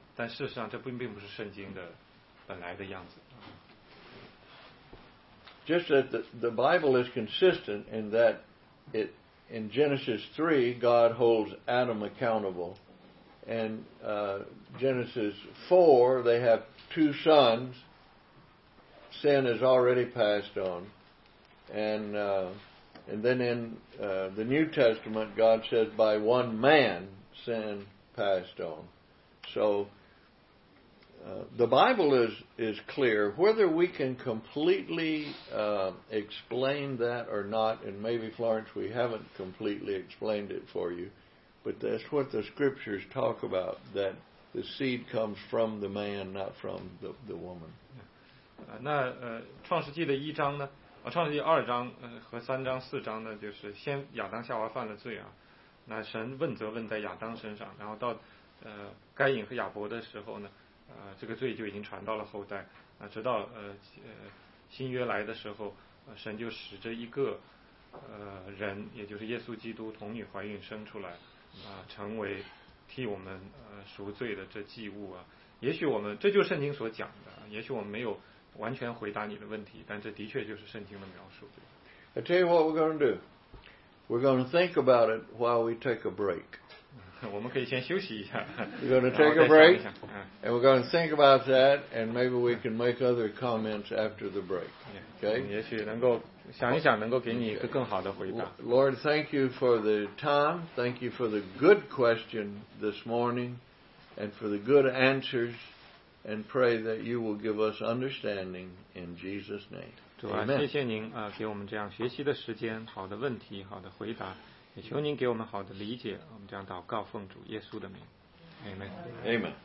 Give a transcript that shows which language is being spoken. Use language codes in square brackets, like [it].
[zh] 但事实上这并不是圣经的本来的样子。 [en] Just that the Bible is consistent in that it in Genesis 3 God holds Adam accountable, and Genesis 4 they have two sons, sin is already passed on, and then in the New Testament God says by one man sin passed on, so. The Bible is clear. Whether we can completely explain that or not, and maybe Florence, we haven't completely explained it for you, but that's what the scriptures talk about, that the seed comes from the man, not from the woman. [zh] 那创世纪的一章呢？创世纪二章和三章、四章呢，就是先亚当夏娃犯了罪啊，那神问责问在亚当身上，然后到该隐和亚伯的时候呢？这个罪就已经传到了后代啊，直到新约来的时候，神就使这一个人，也就是耶稣基督童女怀孕生出来啊，成为替我们赎罪的这祭物啊。也许我们这就是圣经所讲的，也许我们没有完全回答你的问题，但这的确就是圣经的描述。 [en] I tell you what we're going to do. We're going to think about it while we take a break. We're going to take a break, and we're going to think about that, and maybe we can make other comments after the break. Okay? [zh] 也许能够想一想，能够给你一个更好的回答。 [en] Lord, thank you for the time. Thank you for the good question this morning, and for the good answers, and pray that you will give us understanding in Jesus' name. [zh] 主啊，谢谢您啊，给我们这样学习的时间，好的问题，好的回答。也求您给我们好的理解，我们这样祷告，奉主耶稣的名 ，Amen。